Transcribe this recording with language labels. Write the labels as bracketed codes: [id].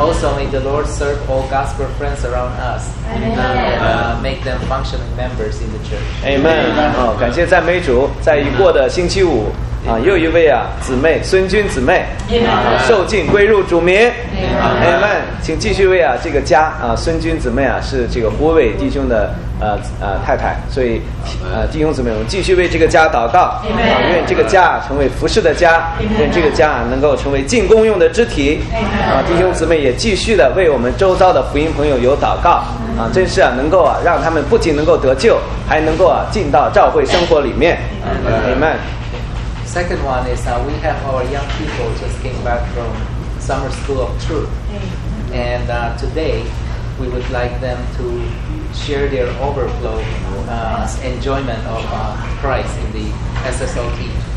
[en] Also, may the Lord serve all gospel friends around us and make them functioning members in the church. Amen. [zh] Oh, 感谢赞美主，在已过的星期五。啊，又一位啊，姊妹孙君姊妹，受浸归入主名 ，Amen。请继续为啊这个家啊孙君姊妹啊是这个胡伟弟兄的太太，所以弟兄姊妹，我们继续为这个家祷告，啊，愿这个家成为服事的家，愿这个家能够成为进攻用的肢体，啊，弟兄姊妹也继续的为我们周遭的福音朋友有祷告，啊，真是啊能够啊让他们不仅能够得救，还能够啊进到教会生活里面 ，Amen。 [en] Second one is we have our young people just came back from Summer School of Truth. And today, we would like them to share their overflow enjoyment of Christ in the SSOT.